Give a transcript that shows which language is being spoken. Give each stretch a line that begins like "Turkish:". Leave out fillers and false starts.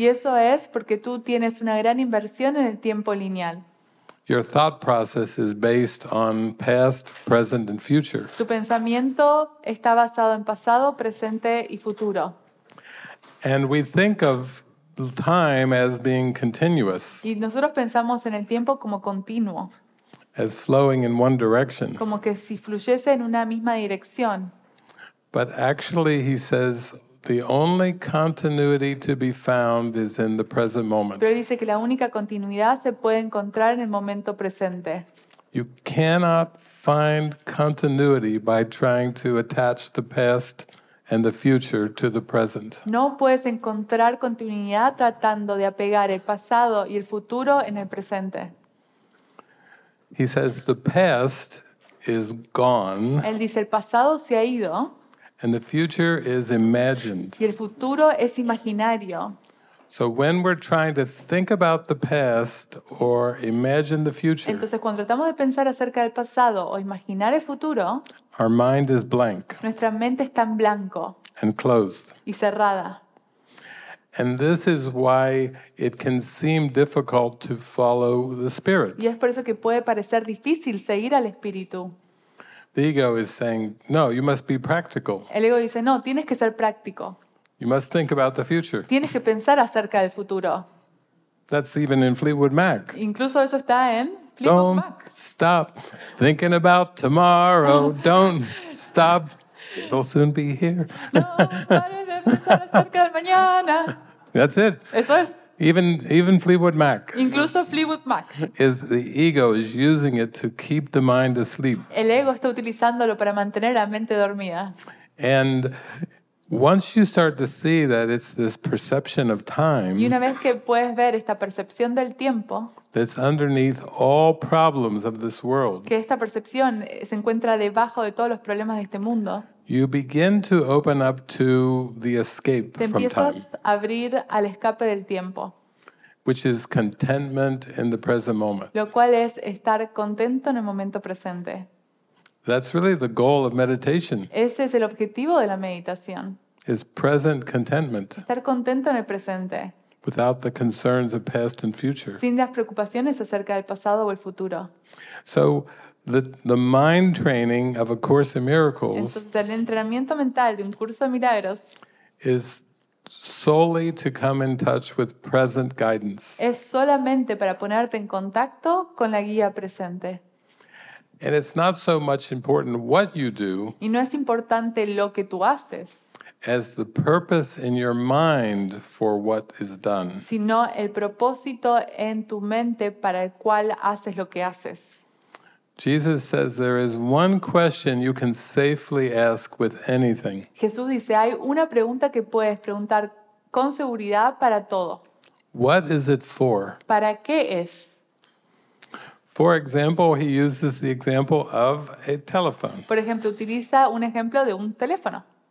Spanish: Y eso es porque tú tienes una gran inversión en el tiempo lineal.
English: Your thought process is based on past, present, and future.
Spanish: Tu pensamiento está basado en pasado, presente y futuro.
English: And we think of time as being continuous.
Spanish: Y nosotros pensamos en el tiempo como continuo.
English: As flowing in one direction.
Spanish: Como que si fluyese en una misma dirección.
English: But actually, he says, the only continuity to be found is in the present moment.
Spanish: Pero dice que la única continuidad se puede encontrar en el momento presente.
English: You cannot find continuity by trying to attach the past and the future to the present.
Spanish: No puedes encontrar continuidad tratando de apegar el pasado y el futuro en el presente.
English: He says the past is gone.
Spanish: Él dice el pasado se ha ido.
English: And the future is imagined.
Spanish: Y el futuro es imaginario.
English: So when we're trying to think about the past or imagine the future.
Spanish: Entonces cuando tratamos de pensar acerca del pasado o imaginar el futuro.
English: Our mind is blank.
Spanish: Nuestra mente está en blanco.
English: And closed.
Spanish: Y cerrada.
English: And this is why it can seem difficult to follow the spirit.
Spanish: Y es por eso que puede parecer difícil seguir al espíritu.
English: The ego is saying, "No, you must be practical."
Spanish: El ego dice, "No, tienes que ser práctico."
English: You must think about the future.
Spanish: Tienes que pensar acerca del futuro.
English: That's even in Fleetwood Mac.
Spanish: Incluso eso está en Fleetwood
English: Don't
Spanish: Mac.
English: Don't stop thinking about tomorrow. Don't stop. It'll soon be here.
Spanish: No, pare de pensar acerca del mañana.
English: That's it.
Spanish: Eso es.
English: Even Fleetwood Mac.
Spanish: Incluso Fleetwood Mac.
English: Is the ego is using it to keep the mind asleep.
Spanish: El ego está utilizándolo para mantener la mente dormida.
English: And once you start to see that it's this perception of time,
Spanish: y una vez que puedes ver esta percepción del tiempo,
English: that's underneath all problems of this world,
Spanish: que esta percepción se encuentra debajo de todos los problemas de este mundo,
English: you begin to open up to the escape
Spanish: te
English: from time.
Spanish: Empiezas a abrir al escape del tiempo,
English: which is contentment in the present moment.
Spanish: Lo cual es estar contento en el momento presente.
English: That's really the goal of meditation.
Spanish: Ese es el objetivo de la meditación.
English: Is present contentment.
Spanish: Estar contento en el presente.
English: Without the concerns of past and future.
Spanish: Sin las preocupaciones acerca del pasado o el futuro.
English: So the mind training of A Course in Miracles.
Spanish: Entonces, el entrenamiento mental de Un Curso de Milagros.
English: Is solely to come in touch with present guidance.
Spanish: Es solamente para ponerte en contacto con la guía presente.
English: And it's not so much important what you do.
Spanish: Y no es importante lo que tú haces.
English: As the purpose in your mind for what is done.
Spanish: Sino el propósito en tu mente para el cual haces lo que haces.
English: Jesus says there is one question you can safely ask with anything.
Spanish: Jesús dice hay una pregunta que puedes preguntar con seguridad para todo.
English: What is it for?
Spanish: ¿Para qué es?
English: For example, he uses the example of a telephone.
Spanish: Por ejemplo, utiliza un ejemplo de un teléfono.